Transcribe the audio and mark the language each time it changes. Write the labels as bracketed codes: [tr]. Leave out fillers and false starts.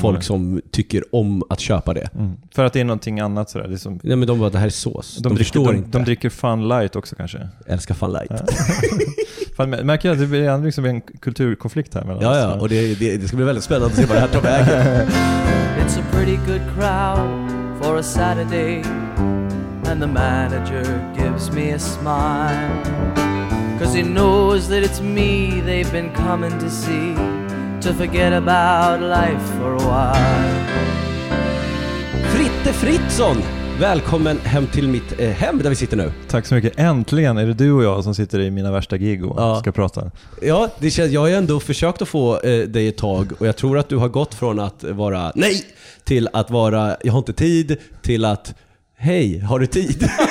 [sv] Folk som tycker om att köpa det. Mm. För att det är någonting annat sådär. Det är som, nej, men de bara, det här är sås. De dricker Fun Light också kanske. Jag älskar Fun Light. Fan, märker jag att det är liksom en kulturkonflikt här. Ja, ja. Och det ska bli väldigt spännande att se vad det här tar vägen. [en] It's a pretty good crowd for a Saturday, and the manager gives me a smile, 'cause he knows that it's me they've been coming to see, to forget about life for a while. Fritte Fritzson, [sv] Välkommen hem till mitt hem där vi sitter nu. Tack så mycket. Äntligen är det du och jag som sitter i mina värsta gig och ja. Ska prata. Ja, det känns, jag har ju ändå försökt att få dig ett tag och jag tror att du har gått från att vara nej till att vara jag har inte tid till att hej, har du tid?